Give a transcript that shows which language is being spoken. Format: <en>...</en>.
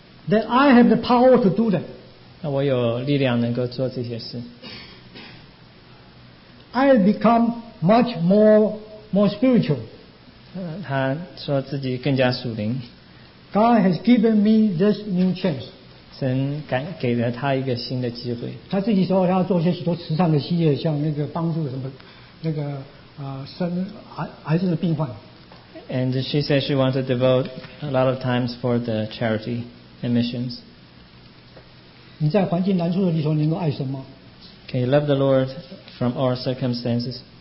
<en>That I have the power to do that.</en> <zh>那我有力量能够做这些事。</zh> <en>I become much more spiritual.</en> <zh>他说自己更加属灵。</zh> <en>God has given me this new chance.</en> <zh>神给了他一个新的机会。他自己说他要做一些许多慈善的事业, 像那个帮助什么, 生癌症的病患。</zh> <en>And she said she wants to devote a lot of times for the charity. Emissions.</en> <zh>你在环境难处的时候，你能够爱神吗？</zh> <en>Can you love the Lord from all circumstances?</en>